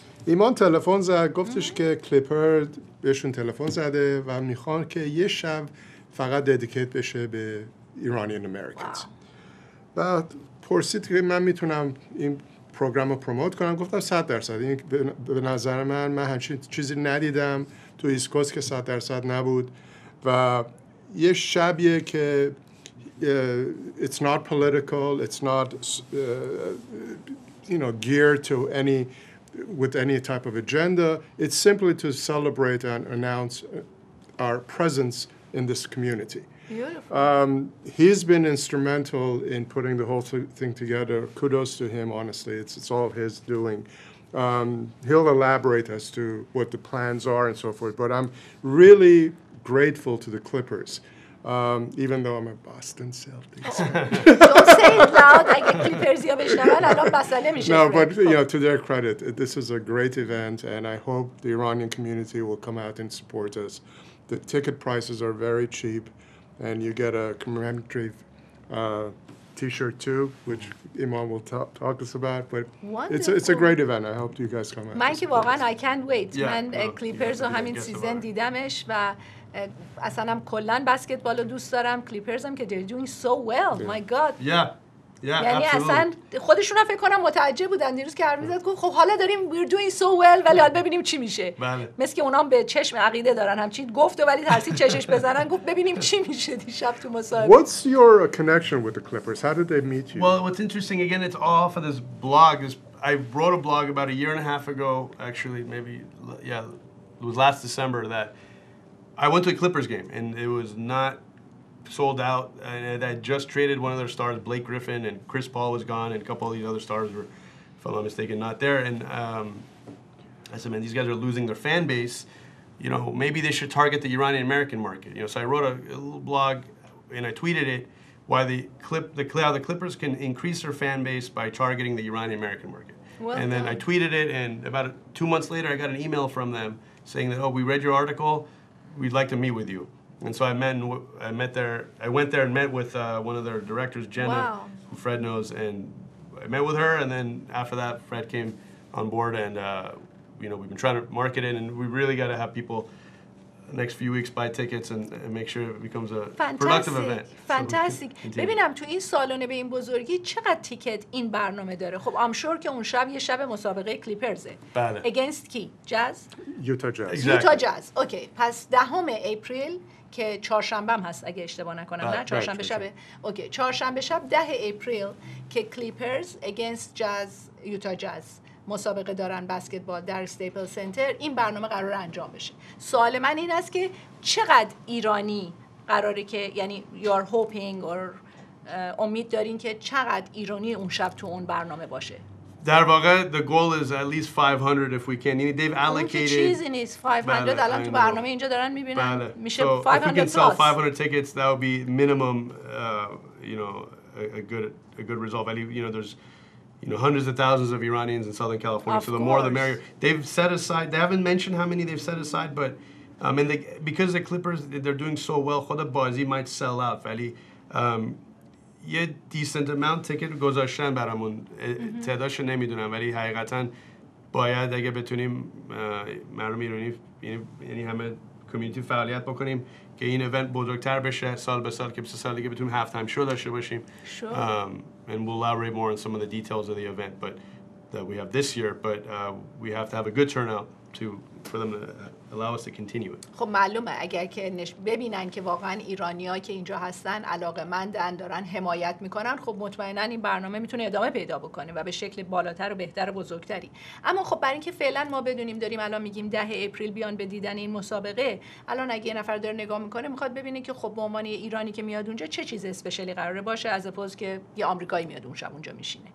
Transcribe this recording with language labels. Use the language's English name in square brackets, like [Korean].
[Persian] ایمان تلفن زد گفتش که کلیپر بهشون تلفن زده و میخوان که یه شب فقط ددیکیت بشه به ایرانیان امریکنز. و پرسید که من میتونم این پروگرام رو پروموت کنم. گفتم 100%. این به نظر من همچین چیزی ندیدم تو ایست کوست که 100% نبود. [English] و یه شبیه که it's not political, it's not you know, geared to any with any type of agenda. It's simply to celebrate and announce our presence in this community. Beautiful. He's been instrumental in putting the whole thing together. Kudos to him, honestly. It's all his doing. He'll elaborate as to what the plans are and so forth, but I'm really grateful to the Clippers. Even though I'm a Boston Celtics. Don't say it loud. I get Clippers here, but no, but you know, to their credit, this is a great event, and I hope the Iranian community will come out and support us. The ticket prices are very cheap, and you get a commemorative T-shirt too, which Iman will talk us about. But it's a great event. I hope you guys come out. Mikey, واقعاً I can't wait. Yeah. [Persian] من کلیپرز رو همین سیزن دیدمش و اصلا هم کلن بسکتبال رو دوست دارم. [English] Clippers هم که they're doing so well. Yeah. My God. Yeah, [Persian] یعنی [English] absolutely. [Persian] اصلا خودشون هم فکر کنم متعجب بودن دیروز که حرف زد گفت خب حالا داریم we're doing so well ولی حالا ببینیم چی میشه. بله. مثل که اونا هم به چشم عقیده دارن همچین گفت ولی ترسید چشش بزنن گفت ببینیم چی میشه دیشب تو مصاحبه. [English] What's your connection with the Clippers? How did they meet you? Well, what's interesting, again, it's all for this blog. I wrote a blog about a year and a half ago, actually, maybe, yeah, it was last December that I went to a Clippers game and it was not sold out, and I just traded one of their stars, Blake Griffin, and Chris Paul was gone, and a couple of these other stars were, if I'm not mistaken, not there. And I said, man, these guys are losing their fan base. You know, maybe they should target the Iranian American market. You know, so I wrote a little blog, and I tweeted it, why the Clippers can increase their fan base by targeting the Iranian American market. Well, and then I tweeted it, and about 2 months later, I got an email from them saying that, oh, we read your article, we'd like to meet with you. And so I went there and met with one of their directors, Jenna, wow, who Fred knows, and I met with her, and then after that, Fred came on board, and you know, we've been trying to market it, and we really got to have people next few weeks buy tickets and make sure it becomes a fantastic, productive event. Fantastic. [Persian] So ببینم تو این سالن به این بزرگی چقدر تیکت این برنامه داره. خب I'm sure که اون شب یه شب مسابقه کلیپرزه. بله. Against کی؟ جاز؟ یوتا جاز. یوتا جاز. اوکی. پس 10 اپریل که چهارشنبه هست اگه اشتباه نکنم. نه چهارشنبه شبه. اوکی. چهارشنبه شب 10 اپریل که کلیپرز against جاز یوتا جاز مسابقه دارن بسکتبال در استیپل سنتر، این برنامه قرار انجام بشه. سوال من این است که چقدر ایرانی قراره که، یعنی you're hoping or امید دارین که چقدر ایرانی اون شب تو اون برنامه باشه؟ [English] در واقع the goal is at least 500 if we can. یعنی they've allocated. [Persian] اون که چیزی نیست 500. الان تو برنامه اینجا دارن میبینن. بله. میشه [English] so 500 if we can sell 500 tickets, that would be minimum, you know, a good result. I mean, you know, there's, you know, hundreds of thousands of Iranians in Southern California. Of so the course. More the merrier. They've set aside, they haven't mentioned how many they've set aside, but and they, because the Clippers, they're doing so well, Khoda Bazi might sell out, Fali. [Persian] یه decent amount ticket گذاشتن برامون. تعدادش نمیدونم ولی حقیقتا باید اگه بتونیم مردم ایرانی یعنی همه کمیونیتی فعالیت بکنیم که این event بزرگتر بشه سال به سال که 3 سال دیگه بتونیم halftime show داشته باشیم. [English] Sure. And we'll elaborate more on some of the details of the event but that we have this year, but we have to have a good turnout to for them to allow us to continue it. [Persian] خب معلومه اگر که ببینن که واقعا ایرانی‌ها که اینجا هستن علاقه‌مندن دارن حمایت میکنن، خب مطمئنا این برنامه میتونه ادامه پیدا بکنه و به شکل بالاتر و بهتر و بزرگتری. اما خب برای اینکه فعلا ما بدونیم داریم الان میگیم 10 اپریل بیان به دیدن این مسابقه، الان اگه یه نفر داره نگاه میکنه میخواد ببینه که خب به عنوان ایرانی که میاد اونجا چه چیز اسپشیالی قراره باشه از اپوز که یه آمریکایی میاد اون شب اونجا میشینه.